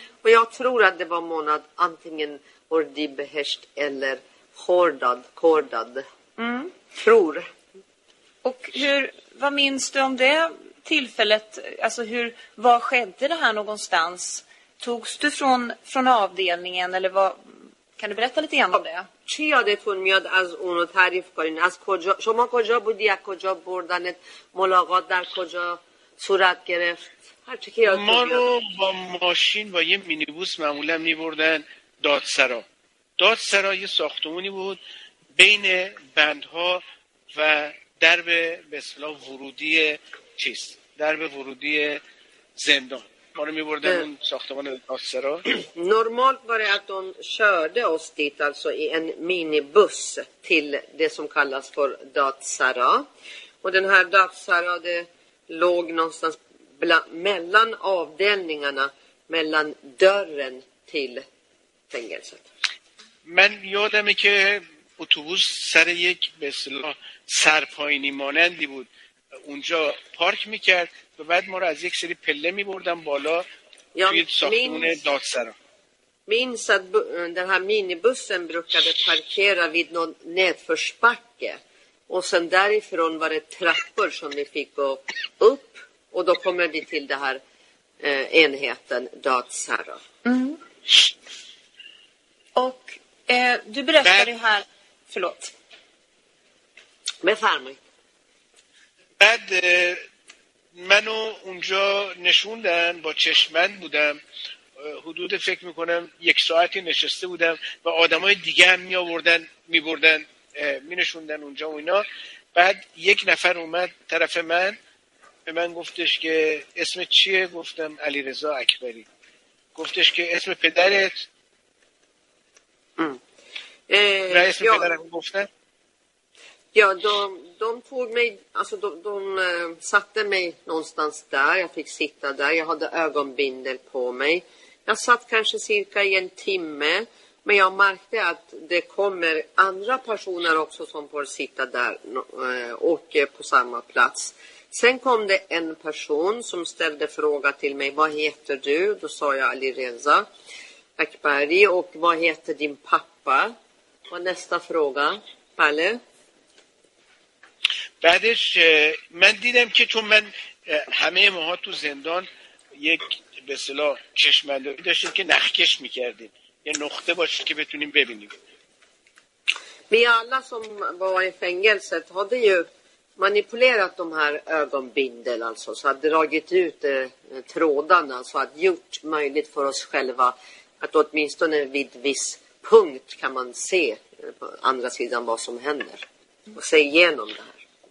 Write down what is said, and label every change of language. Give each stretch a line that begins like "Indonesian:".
Swedish: Och jag tror att det var månad antingen ordibehesht eller kordad. Tror. Och vad minns du om det tillfället? Alltså vad skedde det här någonstans? Togs du från avdelningen eller vad, kan du berätta lite grann om det?
Persian: چی یادتون میاد از اونو تعریف کنین؟ از کجا شما کجا بودی؟ از کجا بردنت؟ ملاقات در کجا صورت گرفت؟ هرچی که یادتون ما رو با ماشین با یه مینیبوس معمولا میبردن دادسرا. دادسرا یه ساختمونی بود بین بندها و درب به اصطلاح ورودی چیز درب ورودی زندان.
Swedish: Normalt var det att de körde oss dit alltså i en minibuss till det som kallas för Datsara. Och den här Datsara det låg någonstans mellan avdelningarna, mellan dörren till fängelset. Men jag hade mycket autobus sär gick beslå särpajni manändi bud.
Persian: Unja park mikert و بعد ما رو از یک سری پله می بردن بالا توی ساختمون دادسرا.
Swedish: Minns att den här minibussen brukade parkera vid någon nedförsbacke. Och sen därifrån var det trappor som vi fick gå upp. Och då kommer vi till den här enheten dadsara. Och du berättade här... Förlåt. Med farmig.
Persian: بعد... منو اونجا نشوندن با چشمند بودم حدود فکر میکنم یک ساعتی نشسته بودم و آدمای دیگه هم میبردن مینشوندن اونجا و اینا بعد یک نفر اومد طرف من به من گفتش که اسم چیه گفتم علیرضا اکبری گفتش که اسم پدرت و اسم پدرم گفتن
Swedish: Ja, de tog mig, alltså de satte mig någonstans där. Jag fick sitta där. Jag hade ögonbindel på mig. Jag satt kanske cirka i en timme. Men jag märkte att det kommer andra personer också som får sitta där och på samma plats. Sen kom det en person som ställde fråga till mig. Vad heter du? Då sa jag Alireza Akbari. Och vad heter din pappa? Och nästa fråga, Palle.
Persian: بعدش من دیدم که چون من همه ماها تو زندان یک به اصطلاح چشمنداری داشتیم که نخکش میکردیم یه نقطه باشه که بتونیم ببینیم
Swedish: Vi alla som var i fängelset hade ju manipulerat de här ögonbindel alltså så hade dragit ut trådarna så att gjort möjligt för oss själva att åtminstone vid viss punkt kan man se på andra sidan vad som händer och se igenom det här